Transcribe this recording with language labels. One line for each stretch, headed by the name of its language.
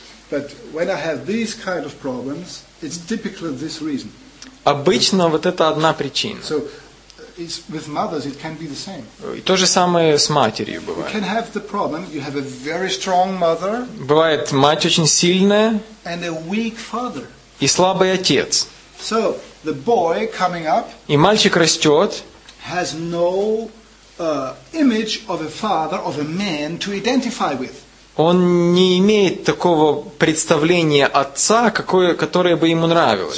English: But when I have these kind of problems, it's typically this reason.
Russian: Обычно вот это одна причина.
English: So, it's with mothers it can be the same.
Russian: И то же самое с матерью бывает.
English: You can have the problem, you have a very strong mother.
Russian: Бывает мать очень сильная.
English: And a weak father.
Russian: И слабый отец.
English: So, the boy coming up.
Russian: И мальчик растет.
English: Has no image of a father, of a man to identify with.
Russian: Он не имеет такого представления отца, которое бы ему нравилось.